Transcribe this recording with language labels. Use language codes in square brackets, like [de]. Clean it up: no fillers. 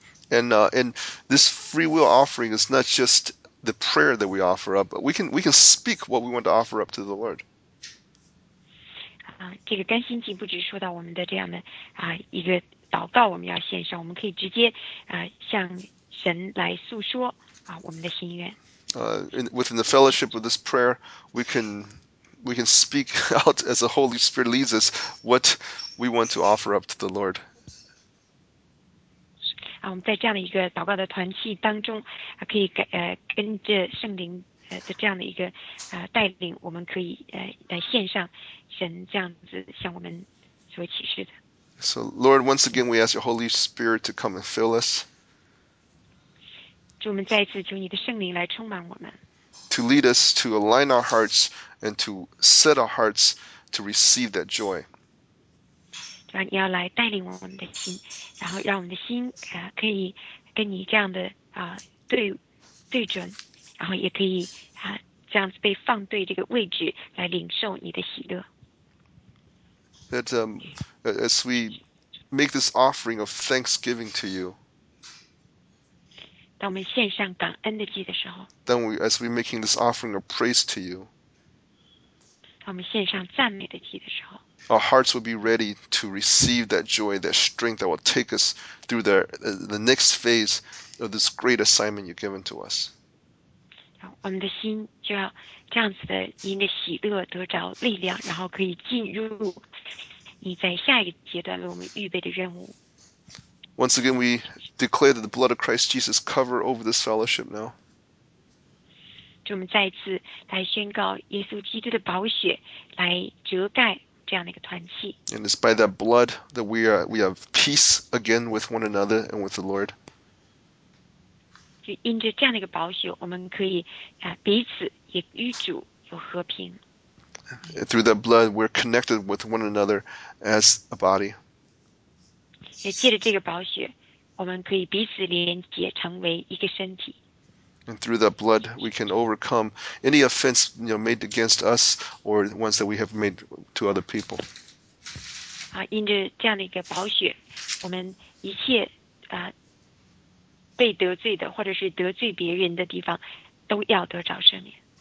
[en] And this free will offering is not just the prayer that we offer up, but we can speak what we want to offer up to the Lord. [zh] 这个甘心祭不只说到我们的这样的一个祷告我们要献上，我们可以直接向神来诉说我们的心愿。 [en] Within the fellowship of this prayer, we can speak out as the Holy Spirit leads us what we want to offer up to the Lord. [zh] 我们在这样的一个祷告的团契当中，可以跟着圣灵的这样的一个带领，我们可以来献上神这样子向我们所启示的。 [en] So Lord, once again, we ask your Holy Spirit to come and fill us. [zh] 主，我们再次求你的圣灵来充满我们。 [en] To lead us to align our hearts and to set our hearts to receive that joy. [zh] 主啊，你要来带领我们的心，然后让我们的心可以跟你这样的对准，然后也可以这样子被放对这个位置来领受你的喜乐。 [en] That as we make this offering of thanksgiving to you. [zh] 当我们献上感恩的祭的时候 [en] Then we, as we're making this offering of praise to you, [zh] 当我们献上赞美的祭的时候 [en] our hearts will be ready to receive that joy, that strength that will take us through the next phase of this great assignment you've given to us. [zh] 我们的心就要这样子的因着喜乐得着力量，然后可以进入你在下一个阶段为我们预备的任务。 [en] Once again, we declare that the blood of Christ Jesus cover over this fellowship now. [zh] 我们再次来宣告耶稣基督的宝血来遮盖这样的一个团契。 [en] And it's by that blood that we have peace again with one another and with the Lord. [zh] 就因着这样的一个宝血，我们可以彼此也与主有和平。 [en] Through that blood, we're connected with one another as a body. [zh] 也借着这个宝血，我们可以彼此连接，成为一个身体。 [en] And through that blood, we can overcome any offense made against us or ones that we have made to other people. [zh] 因着这样的一个宝血，我们一切被得罪的，或者是得罪别人的地方，都要得着赦免。